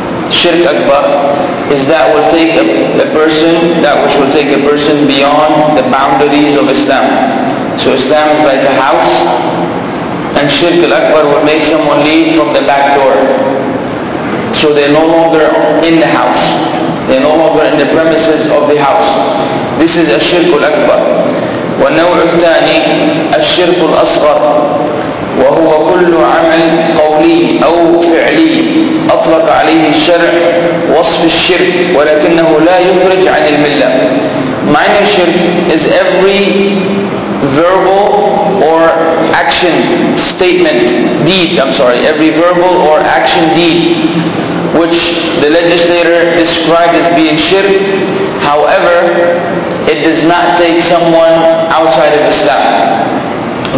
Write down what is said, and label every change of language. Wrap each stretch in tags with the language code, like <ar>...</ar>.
<en>Shirk Akbar is that will take a person, that which will take a person beyond the boundaries of Islam. So Islam is like a house and Shirk Akbar will make someone leave from the back door. So they're no longer in the house. They're no longer in the premises of the house. This is الشرك الأكبر.</en> <ar>والنوع الثاني الشرك الأصغر وهو كل عمل قولي أو فعلي أطلق عليه الشرع وصف الشرك ولكنه لا يخرج عن الملة.</ar> <en>Minor shirk is every verbal or action statement deed. I'm sorry, every verbal or action deed. Which the legislator described as being shirk, however, it does not take someone outside of Islam.</en>